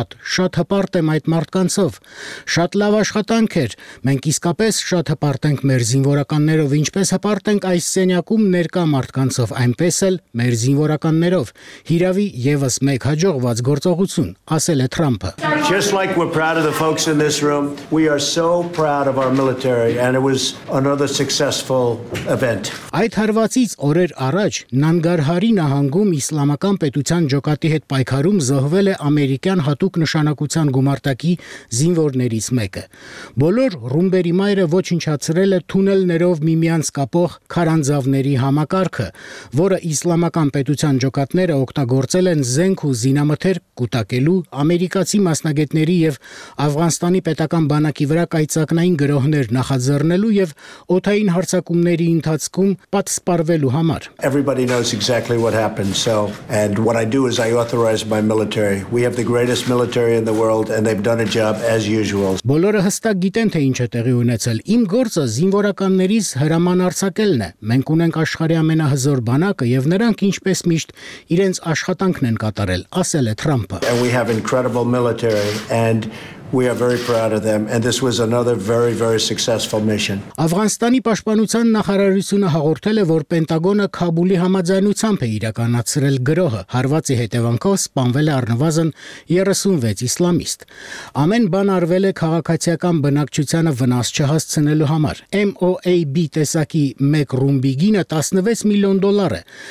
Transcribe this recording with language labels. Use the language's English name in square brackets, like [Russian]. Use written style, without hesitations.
[Armenian] Շատ հպարտ եմ այդ մարդկանցով։ Շատ լավ աշխատանք էր։ Մենք իսկապես շատ հպարտ ենք մեր զինվորականներով, ինչպես հպարտ ենք այս սենյակում ներկա մարդկանցով, այնպես էլ մեր զինվորականներով։ Հիրավի եւս մեկ հաջողված գործողություն, ասել է Թրամփը։ [English] Just like we're proud of the folks in this room, we are so proud of our military and it was another successful event. [Armenian] Այդ հարվածից օրեր առաջ Նանգարհարի նահանգում իսլամական պետության ջոկատի հետ պայքարում զոհվել է ամերիկյան հատուկ նշանակության գումարտակի զինվորներից մեկը։ Բոլոր ռումբերի մայրը ոչնչացրել է թունելներով միմյանց կապող քարանձավների համակարգը, որը իսլամական պետության ջոկատները օգտագործել են զենք ու զինամթերք կուտակելու ամերիկացի մասնագետների եւ Աֆղանստանի պետական բանակի վրա կայծակնային գրոհներ նախաձեռնելու եւ օթային հարձակումների ընթացքում պատսպարվելու համար։ [English] Everybody knows exactly what happened, so and what I do is I authorize my military. We have the greatest military in the world and they've done a job as usual. [Armenian] Բոլորը հստակ գիտեն թե ինչ է տեղի ունեցել։ Իմ գործը զինվորականներից հրամանարձակելն է։ Մենք ունենք աշխարհի ամենահզոր բանակը եւ նրանք ինչպես միշտ իրենց աշխատանքն են կատարել, ասել է Թրամփը։ [English] And we have incredible military and we are very proud of them and this was another very very successful mission. [Armenian] Աֆղանստանի պաշտպանության նախարարությունը հաղորդել է, որ Պենտագոնը Քաբուլի համաձայնությամբ է իրականացրել գրոհը։ Հարվածի հետևանքով սպանվել է առնվազն 36 իսլամիստ։ Ամեն բան արվել է քաղաքացիական բնակչությանը վնաս չհասցնելու համար։ MOAB տեսակի 1 ռումբի գինը $16 million է։